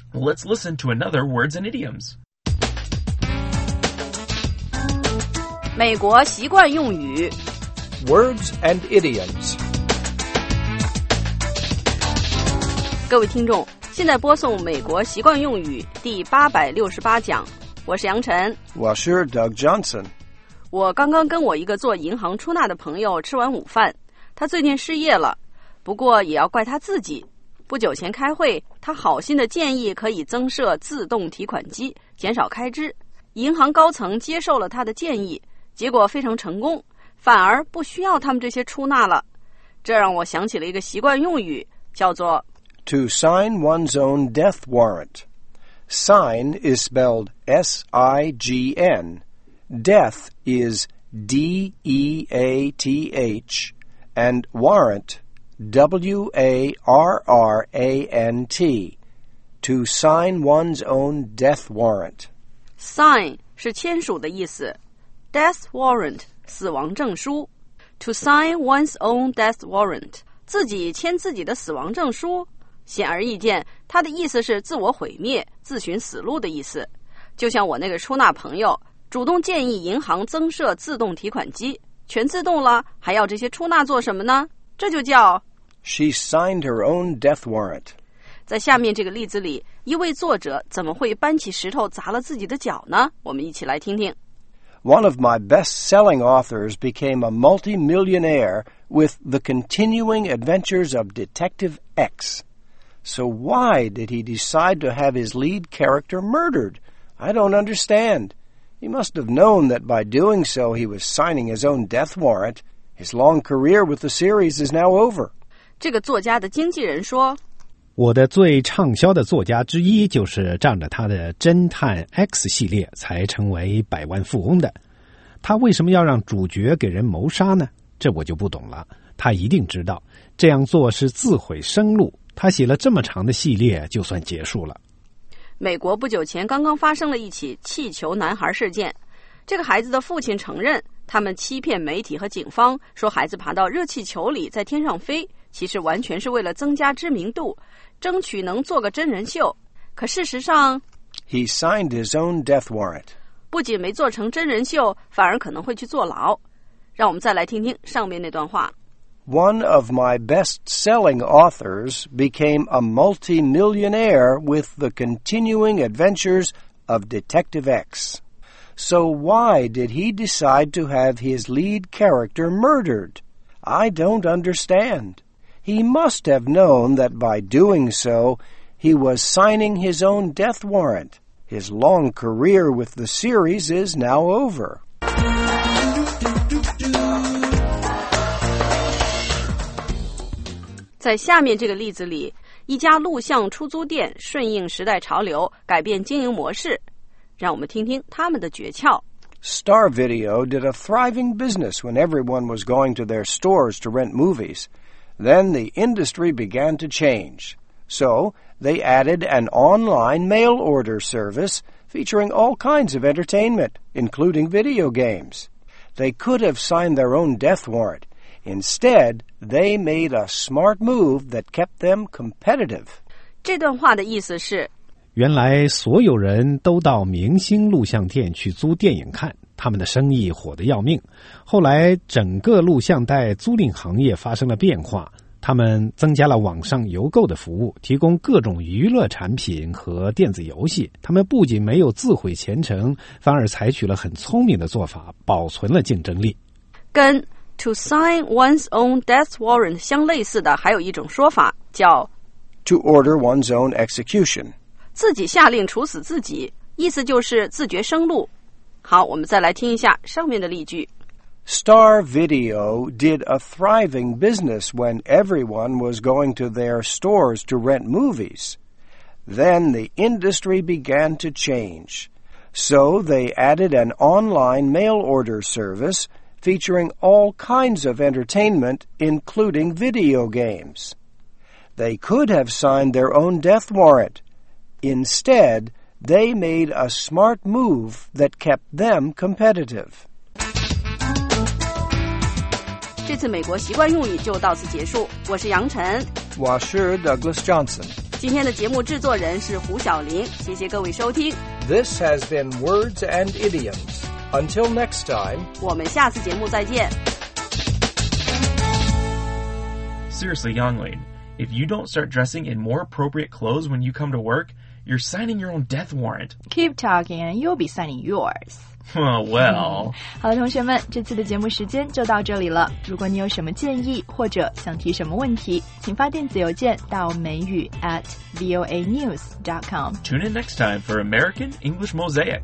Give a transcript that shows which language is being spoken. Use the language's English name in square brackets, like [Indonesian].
[English] Let's listen to another Words and Idioms. [Chinese] 美国习惯用语。 [English] Words and Idioms. [Chinese] 各位听众现在播送美国习惯用语第868讲，我是杨晨。我是 Doug Johnson。我刚刚跟我一个做银行出纳的朋友吃完午饭，他最近失业了，不过也要怪他自己。不久前开会，他好心的建议可以增设自动提款机，减少开支。银行高层接受了他的建议，结果非常成功，反而不需要他们这些出纳了。这让我想起了一个习惯用语，叫做 [English] To sign one's own death warrant. Sign is spelled S-I-G-N. Death is D-E-A-T-H. And warrant, W-A-R-R-A-N-T. To sign one's own death warrant. [Chinese] Sign 是签署的意思。 [English] Death warrant, [Chinese] 死亡证书。 [English] To sign one's own death warrant, [Chinese] 自己签自己的死亡证书。显而易见，它的意思是自我毁灭，自寻死路的意思。就像我那个出纳朋友主动建议银行增设自动提款机，全自动了，还要这些出纳做什么呢？这就叫 [English] She signed her own death warrant。 [Chinese] 在下面这个例子里，一位作者怎么会搬起石头砸了自己的脚呢？我们一起来听听。 [English] One of my best-selling authors became a multi-millionaire with the continuing adventures of Detective X. So why did he decide to have his lead character murdered? I don't understand. He must have known that by doing so he was signing his own death warrant. His long career with the series is now over. [Chinese] 这个作家的经纪人说，我的最畅销的作家之一就是仗着他的侦探 X 系列才成为百万富翁的。他为什么要让主角给人谋杀呢？这我就不懂了。他一定知道，这样做是自毁生路。他写了这么长的系列，就算结束了。美国不久前刚刚发生了一起气球男孩事件，这个孩子的父亲承认他们欺骗媒体和警方，说孩子爬到热气球里在天上飞，其实完全是为了增加知名度，争取能做个真人秀。可事实上 [English] He signed his own death warrant， [Chinese] 不仅没做成真人秀，反而可能会去坐牢。让我们再来听听上面那段话。 [English] One of my best-selling authors became a multi-millionaire with the continuing adventures of Detective X. So why did he decide to have his lead character murdered? I don't understand. He must have known that by doing so, he was signing his own death warrant. His long career with the series is now over. [Chinese] 在下面这个例子里，一家录像出租店顺应时代潮流改变经营模式，让我们听听他们的诀窍。 [English] Star Video did a thriving business when everyone was going to their stores to rent movies. Then the industry began to change. So, they added an online mail order service featuring all kinds of entertainment, including video games. They could have signed their own death warrant. Instead, they made a smart move that kept them competitive. [Chinese] 这段话的意思是，原来所有人都到明星录像店去租电影看，他们的生意火得要命。后来整个录像带租赁行业发生了变化，他们增加了网上邮购的服务，提供各种娱乐产品和电子游戏。他们不仅没有自毁前程，反而采取了很聪明的做法，保存了竞争力。跟 [English] To sign one's own death warrant [Chinese] 相类似的还有一种说法叫 [English] To order one's own execution， [Chinese] 自己下令处死自己，意思就是自绝生路。好，我们再来听一下上面的例句。 [English] Star Video did a thriving business when everyone was going to their stores to rent movies. Then the industry began to change. So they added an online mail order serviceFeaturing all kinds of entertainment, including video games. They could have signed their own death warrant. Instead, they made a smart move that kept them competitive. [Chinese] 这次美国习惯用语就到此结束。我是杨晨，我是 Douglas Johnson。今天的节目制作人是胡晓林，谢谢各位收听。 [English] This has been Words and Idioms. Until next time, [Chinese] 我们下次节目再见。 [English] Seriously, Yonglin, if you don't start dressing in more appropriate clothes when you come to work, you're signing your own death warrant. Keep talking and you'll be signing yours. Well. [Chinese] 好了，同学们，这次的节目时间就到这里了。如果你有什么建议或者想提什么问题，请发电子邮件到美语@voanews.com. [English] Tune in next time for American English Mosaic.